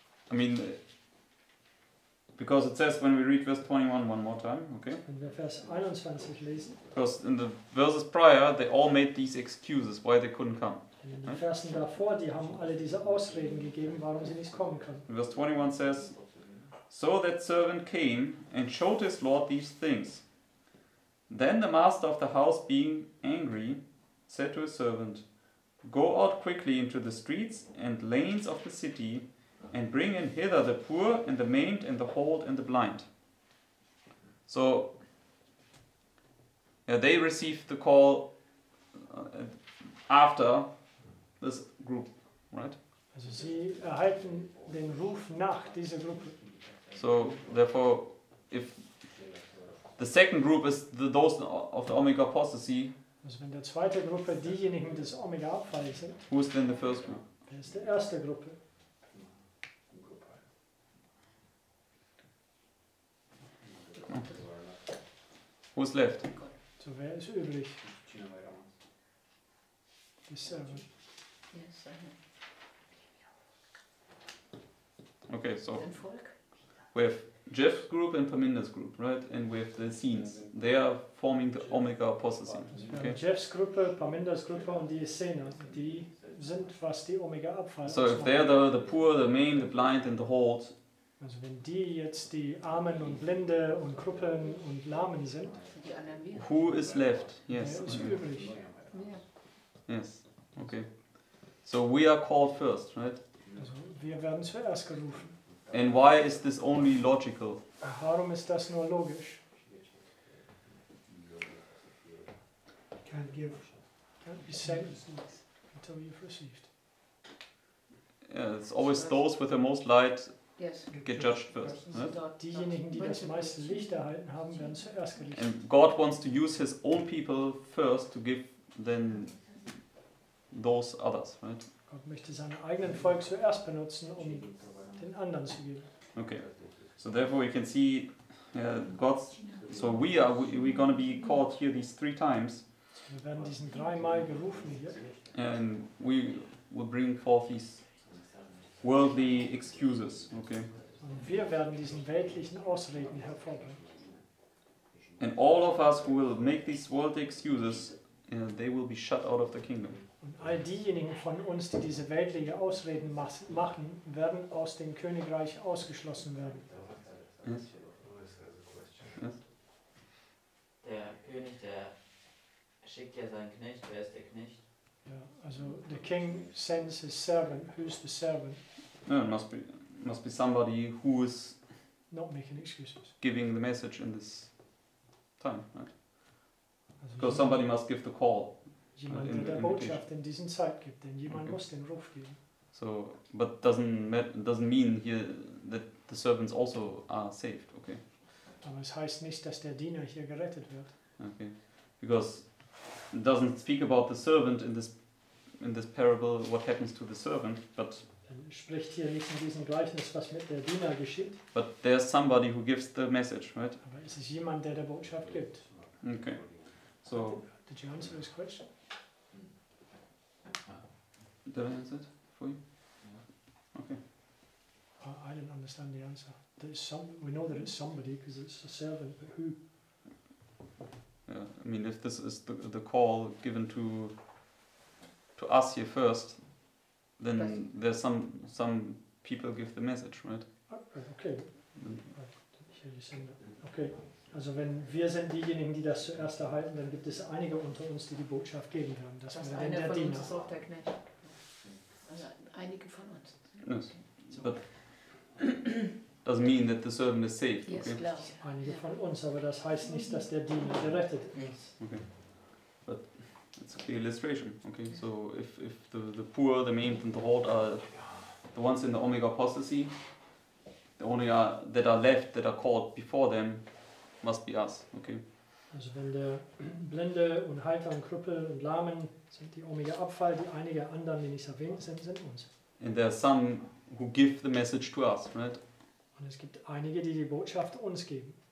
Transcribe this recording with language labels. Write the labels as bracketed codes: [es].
[en] I mean, because it says when we read verse 21 one more time, okay? [de] Wenn wir Vers 21 lesen. [en] Because in the verses prior, they all made these excuses why they couldn't come. [de] In den Versen davor, die haben alle diese Ausreden gegeben, warum sie nicht kommen können. [en] Verse 21 says, so that servant came and showed his Lord these things. Then the master of the house, being angry, said to his servant, go out quickly into the streets and lanes of the city and bring in hither the poor and the maimed and the halt and the blind. So, yeah, they received the call after this group, right? [de] Also sie erhalten den Ruf nach dieser Gruppe. [en] So therefore, if The second group is the those of the Omega apostasy. [de] Also wenn der zweite Gruppe diejenigen des Omega Abfall sind. [en] Who is then the first group? [de] Wer ist der erste Gruppe? [en] Who is left? [de] So wer ist übrig? [en] The servant. Okay, so we have Jeff's group and Paminda's group, right? And we have the Essenes. They are forming the Omega apostasy. Okay. Jeff's group, Paminda's group, and the Essenes, they are what the Omega Abfall. So if they are the poor, the maimed, the blind, and the halt. [de] Also wenn die jetzt die Armen und Blinde und Krüppeln und Lahmen sind. [en] Who is left? Yes. [de] Wer ist übrig? [en] Yes. Okay. So we are called first, right? [de] Also wir werden zuerst gerufen. [en] And why is this only logical? [de] Warum ist das nur logisch? [en] Can't be sent until you've received. Yeah, it's always those with the most light get judged first. [de] Diejenigen, die das meiste Licht erhalten haben, werden zuerst gerichtet. [en] And God wants to use His own people first to give then those others, right? [de] Gott möchte seinen eigenen Volk zuerst benutzen, um den anderen zu geben. [en] Okay, so therefore we can see God's, so we're going to be called here these three times. [de] Wir werden diesen dreimal gerufen hier. [en] And we will bring forth these worldly excuses, okay. [de] Und wir werden diesen weltlichen Ausreden hervorbringen. [en] And all of us who will make these worldly excuses, they will be shut out of the kingdom. [de] Und all diejenigen von uns, die diese weltliche Ausreden machen, werden aus dem Königreich ausgeschlossen werden. Der König, der schickt ja seinen Knecht. Wer ist der Knecht? [en] Ja, also the king sends his servant. Who's the servant? No, must be somebody who is not making excuses. Giving the message in this time, right? Because somebody must give the call. [de] Jemand, der der Botschaft in diesen Zeit gibt, denn jemand muss den Ruf geben. [en] So, but doesn't mean here that the servants also are saved, okay? [de] Aber es heißt nicht, dass der Diener hier gerettet wird. [en] Okay, because it doesn't speak about the servant in this parable, what happens to the servant, but [de] dann spricht hier nicht in diesem Gleichnis, was mit der Diener geschieht. [en] But there's somebody who gives the message, right? [de] Aber es ist jemand, der der Botschaft gibt. [en] Okay, so. Did you answer his question? Did I answer it for you? Yeah. Okay. I didn't understand the answer. We know that it's somebody because it's a servant, but who? Yeah, I mean, if this is the call given to us here first, then there's some people give the message, right? Okay. Here you send it. Okay. [de] Also wenn wir sind diejenigen, die das zuerst erhalten, dann gibt es einige unter uns, die die Botschaft geben werden. Das ist einer der von Diener. Uns, ist auch der Knecht. Also einige von uns. [en] Yes. Okay. But doesn't mean that the servant is saved. Yes, okay. [de] Klar. Einige von uns, aber das heißt nicht, dass der Diener gerettet ist. [en] Okay. But it's a clear illustration. Okay. So if the poor, the maimed and the halt are the ones in the Omega apostasy, the only that are left, that are called before them, must be us, okay. [de] Also wenn der Blinde und Heiter und Krüppel und Lahmen sind die Omega Abfall, die einige anderen, die nicht erwähnt sind, sind uns. [en] And there are some who give the message to us, right? [de] Und es gibt einige, die die Botschaft uns geben.